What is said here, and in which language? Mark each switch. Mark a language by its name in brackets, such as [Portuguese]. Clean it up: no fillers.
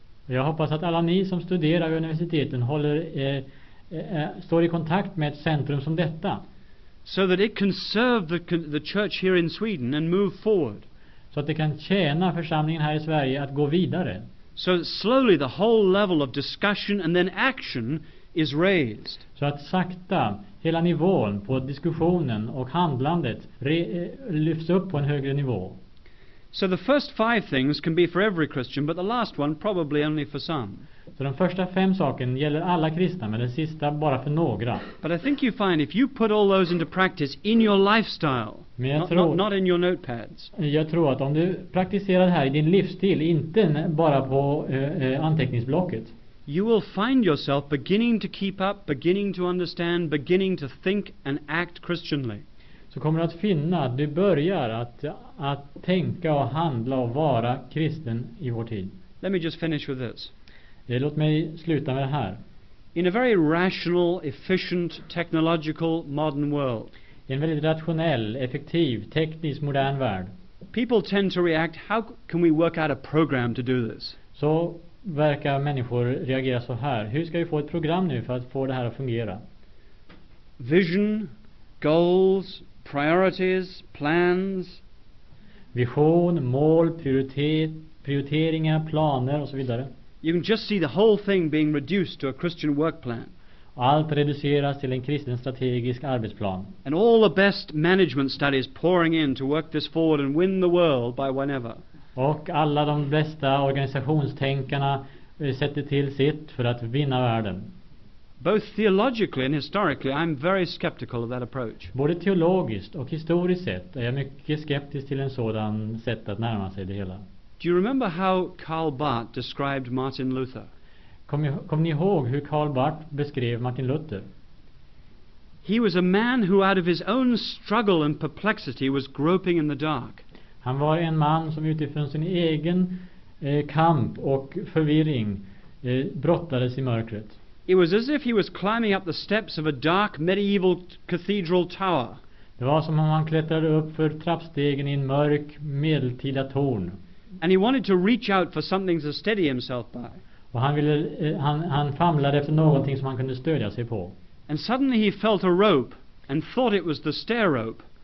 [Swedish] Jag hoppas att alla ni som studerar vid universiteten håller står i kontakt med ett centrum som detta. [English] So that it can serve the church here in Sweden and move forward. [Swedish] Så att det kan tjäna församlingen här i Sverige att gå vidare. [English] So slowly the whole level of discussion and then action is raised. [Swedish] Så att sakta hela nivån på diskussionen och handlandet lyfts upp på en högre nivå. [English] So the first five things can be for every Christian, but the last one probably only for some. [Swedish] Så de första fem sakerna gäller alla kristna, men den sista bara för några. [English] But I think you find if you put all those into practice in your lifestyle, not in your notepads. [Swedish] Jag tror att om du praktiserar det här i din livsstil, inte bara på anteckningsblocket, [English] you will find yourself beginning to keep up, beginning to understand, beginning to think and act Christianly. [Swedish] Så kommer du att finna att du börjar att tänka och handla och vara kristen i vår tid. [English] Let me just finish with this. [Swedish] Låt mig sluta med det här. [English] In a very rational, efficient, technological, modern world. [Swedish] I en väldigt rationell, effektiv, teknisk, modern värld. [English] People tend to react, how can we work out a program to do this? [Swedish] Så verkar människor reagera så här. Hur ska vi få ett program nu för att få det här att fungera? [English] Vision, goals, priorities, plans. [Swedish] Vision, mål, prioriteringar, planer och så vidare. [English] You can just see the whole thing being reduced to a Christian work plan. [Swedish] Allt reduceras till en kristen strategisk arbetsplan. [English] And all the best management studies pouring in to work this forward and win the world by whenever. [Swedish] Och alla de bästa organisationstänkarna sätter till sitt för att vinna världen. [English] Both theologically and historically, I'm very skeptical of that approach. [Swedish] Både teologiskt och historiskt sett är jag mycket skeptisk till en sådan sätt att närma sig det hela. [English] Do you remember how Karl Barth described Martin Luther? [Swedish] Kom ni ihåg hur Karl Barth beskrev Martin Luther? [English] He was a man who out of his own struggle and perplexity was groping in the dark. [Swedish] Han var en man som utifrån sin egen kamp och förvirring brottades i mörkret. [English] It was as if he was climbing up the steps of a dark medieval cathedral tower. [Swedish] Det var som om han klättrade upp för trappstegen i en mörk medeltida torn. [English] And he wanted to reach out for something to steady himself by. [Swedish] Och han famlade efter någonting som han kunde stödja sig på. [English] And suddenly he felt a rope and thought it was the stair rope.